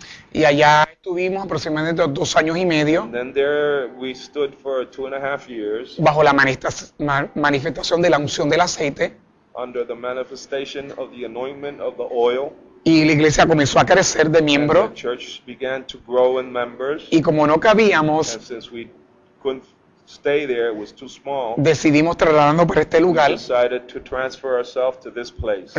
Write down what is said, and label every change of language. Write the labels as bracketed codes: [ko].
[es] Y allá estuvimos aproximadamente dos años y medio. [en] And then there we stood for 2.5 years [es] bajo la manifestación de la unción del aceite. [en] Under the manifestation of the anointment of the oil. [es] Y la iglesia comenzó a crecer de miembro. [en] And the church began to grow in members. [es] Y como no cabíamos, [en] and since we couldn't stay there, it was too small, [es] decidimos trasladarnos para este lugar. [en] We decided to transfer ourselves to this place.